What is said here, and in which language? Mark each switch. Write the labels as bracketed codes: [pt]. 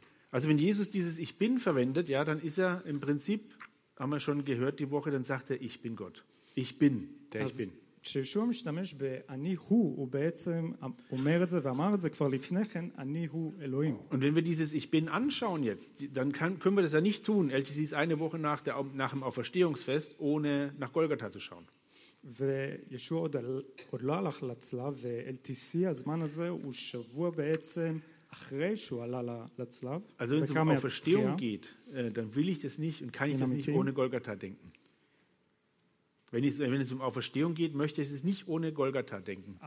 [de] Also wenn Jesus dieses Ich Bin verwendet, ja, dann ist er im Prinzip haben wir schon gehört die Woche, dann sagt er, ich bin Gott. Ich bin, der ich bin. [he] כשישוע משתמש ב-אני הוא, הוא בעצם אומר את זה ואמר את זה כבר לפני כן, אני הוא אלוהים. [de] Und wenn wir dieses Ich bin anschauen jetzt, dann können wir das ja nicht tun, LTC ist eine Woche nach dem Auferstehungsfest, ohne nach Golgatha zu schauen. [he] וישוע עוד לא הלך לצלב, ו-LTC, הזמן הזה, הוא שבוע בעצם אחרי שהוא עלה לצלב. [de] Also wenn es um Auferstehung geht, dann will ich das nicht und kann ich das nicht ohne Golgatha denken. Wenn es um Auferstehung geht, möchte ich es nicht ohne Golgatha denken.